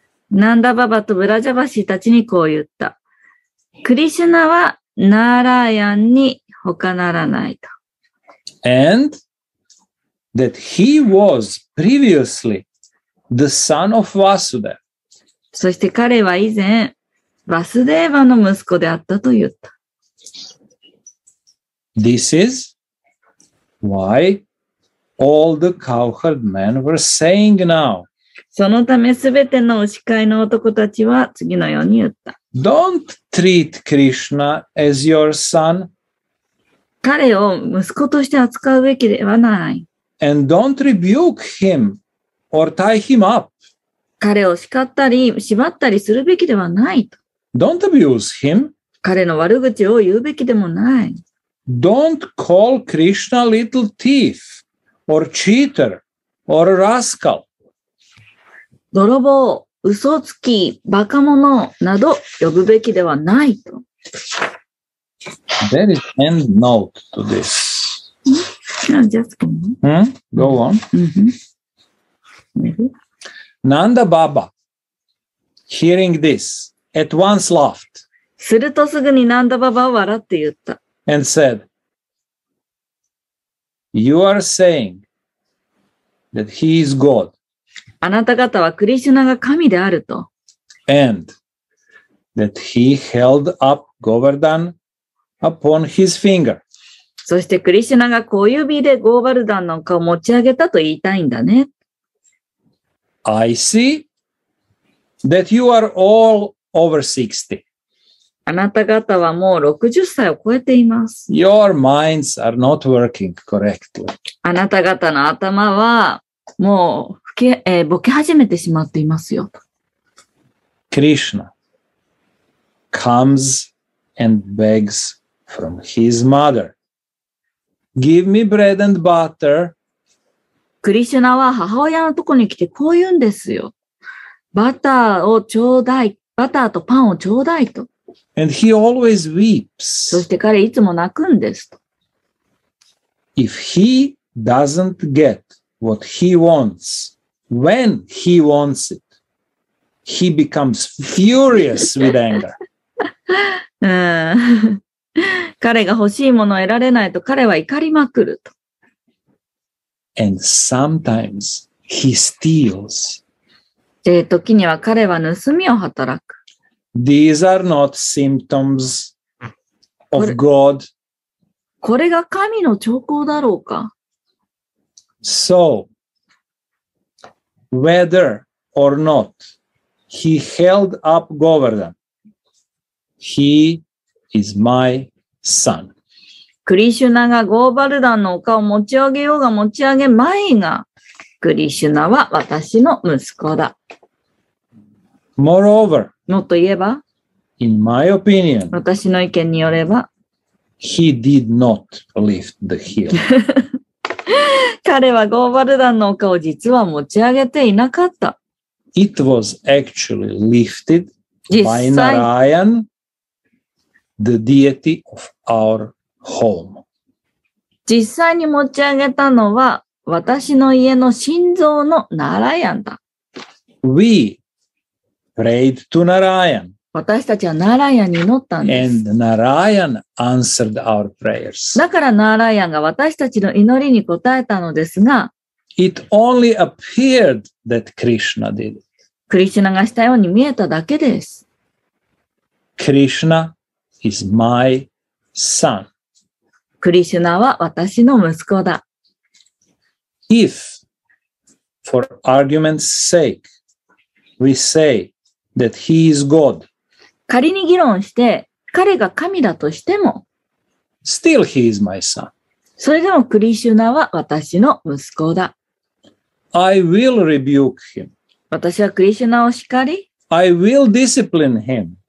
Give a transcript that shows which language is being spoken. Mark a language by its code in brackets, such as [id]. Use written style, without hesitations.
[ja] Nanda Baba to Vrijavasi tachi ni kou yutta. Krishna waナーラヤンに他ならないと。 [en] And that he was previously the son of Vasudeva. [ja] そして彼は以前、バスデーバの息子であったと言った。 [en] This is why all the cowherd men were saying now. [ja] そのためすべての牛飼いの男たちは次のように言った。 [en] Don't treat Krishna as your son. [ja] 彼を息子として扱うべきではない。 [en] And don't rebuke him or tie him up. [ja] 彼を叱ったり縛ったりするべきではないと。 [en] Don't abuse him. [ja] 彼の悪口を言うべきでもない。 [en] Don't call Krishna little thief or cheater or a rascal. [ja] 泥棒。嘘つき、バカ者など呼ぶべきではないと。 [en] There is end note to this. No, just go on. Hmm? Go on. Mm-hmm. Mm-hmm. Nanda Baba, hearing this, at once laughed. [ja] するとすぐに Nanda Baba は笑って言った。 [en] And said, You are saying that he is God. [ja] あなた方はクリシュナが神であると。 [en] And that he held up Govardhan upon his finger. [ja] そしてクリシュナが小指でゴーバルダンの顔を持ち上げたと言いたいんだね。 [en] I see that you are all over 60. [ja] あなた方はもう60歳を超えています。 [en] Your minds are not working correctly. [ja] あなた方の頭はもうボケ始めてしまっていますよ。 [en] Krishna comes and begs from his mother. Give me bread and butter. [ja] クリシュナは母親のところに来てこう言うんですよ。バターをちょうだい、バターとパンをちょうだいと。 [en] And he always weeps. [ja] そして彼いつも泣くんですと。 [en] If he doesn't get what he wants,When he wants it, he becomes furious with anger. [ja] 彼が欲しいものを得られないと彼は怒りまくると。 [en] And sometimes he steals. [ja] 時には彼は盗みを働く。 [en] These are not symptoms of God. [ja] これが神の兆候だろうか。 [en] So,Whether or not he held up Govardhan. He is my son. [ja] クリシュナがゴーバルダンの丘を持ち上げようが持ち上げまいが、クリシュナは私の息子だ。 [en] Moreover, [ja] もっと言えば、 [en] in my opinion, [ja] 私の意見によれば、 [en] He did not lift the hill. [ja] 彼はゴーバルダンの丘を実は持ち上げていなかった。 [en] It was actually lifted by Narayan, the deity of our home. [ja] 実際に持ち上げたのは私の家の心臓のナラヤンだ。 [en] We prayed to Narayan. [ja] 私たちはナラヤンに祈ったんです。 [en] And Narayan answered our prayers. [ja] だからナラヤンが私たちの祈りに答えたのですが、 [en] It only appeared that Krishna did it. [ja] クリシュナがしたように見えただけです。 [en] Krishna is my son. [ja] クリシュナは私の息子だ。 [en] If, for argument's sake, we say that he is God, [ja] 仮に議論して彼が神だとしても、 [en] still he is my son. [ja] それでもクリシュナは私の息子だ。 [en] I will rebuke him. [ja] 私はクリシュナを叱り、 [en] I will discipline him.